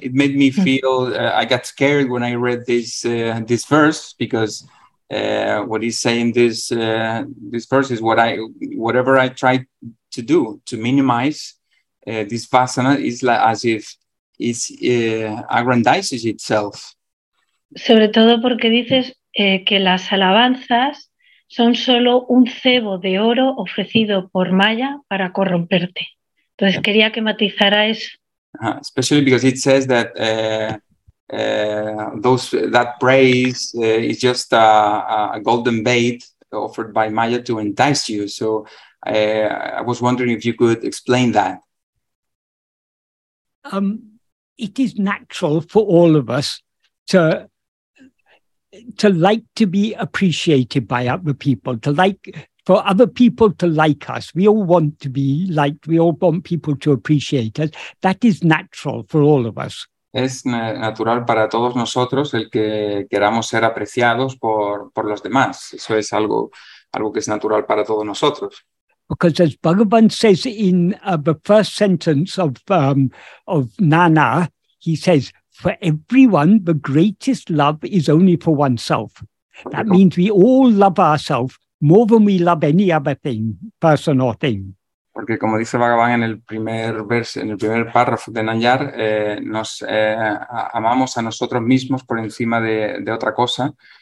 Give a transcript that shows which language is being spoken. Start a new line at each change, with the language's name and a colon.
English: It made me feel, I got scared when I read this verse, because what he's saying, this verse is whatever I tried to do to minimize this vasana, is like as if it aggrandizes itself.
Spanish: Sobre todo porque dices que las alabanzas son solo un cebo de oro ofrecido por Maya para corromperte. Entonces quería que matizara eso.
English: Especially because it says that that praise is just a golden bait offered by Maya to entice you. So I was wondering if you could explain that. It is natural for all of us to like to be appreciated by other people, to like for other people to like us. We all want to be liked. We all want people to appreciate us. That is natural for all of us.
Spanish: Es natural para todos nosotros el que queramos ser apreciados por los demás. Eso es algo que es natural para todos nosotros.
English: Because as Bhagavan says in the first sentence of Nana, he says, for everyone, the greatest love is only for oneself. That means we all love ourselves more than we love any other thing, person or thing.
Spanish: Porque como dice Bhagavan en el primer verso, en el primer párrafo de Nanyar, nos amamos a nosotros mismos por encima de otra cosa.